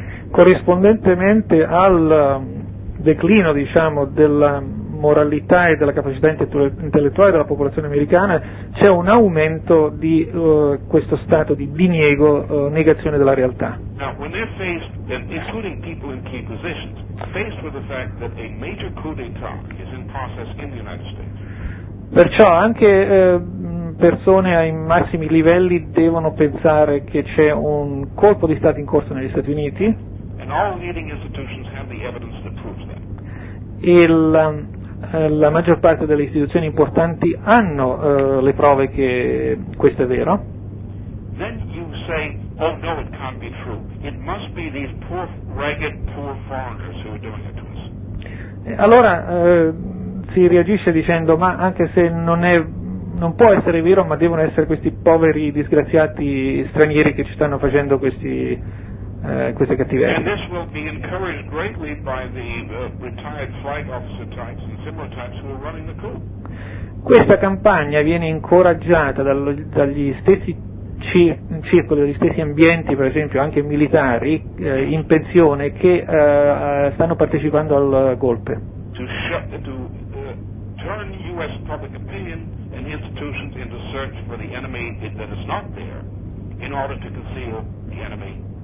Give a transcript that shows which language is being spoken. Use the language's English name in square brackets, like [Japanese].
[Italian] Corrispondentemente al declino, diciamo, della moralità e della capacità intellettuale della popolazione americana, c'è un aumento di questo stato di diniego, negazione della realtà. [English] Now, when they're faced, including people in key positions, faced with the fact that a major coup d'état is in process in the United States. [Italian] Perciò anche persone ai massimi livelli devono pensare che c'è un colpo di stato in corso negli Stati Uniti. [English] And all leading institutions have the evidence that proves that. [Italian] La maggior parte delle istituzioni importanti hanno le prove che questo è vero. [English] Then you say, oh no, it can't be true. It must be these poor, ragged, poor foreigners who are doing it to us. [Italian] Allora si reagisce dicendo, ma anche se non può essere vero, ma devono essere questi poveri disgraziati stranieri che ci stanno facendo queste cattiverie. [English] And this will be encouraged greatly by the retired flag officer types and similar types who are running the coup. [Italian] Questa campagna viene incoraggiata dagli stessi circoli, dagli stessi ambienti, per esempio anche militari in pensione che stanno partecipando al golpe. [English] To turn US public opinion and institutions into search for the enemy that is not there in order to conceal the enemy.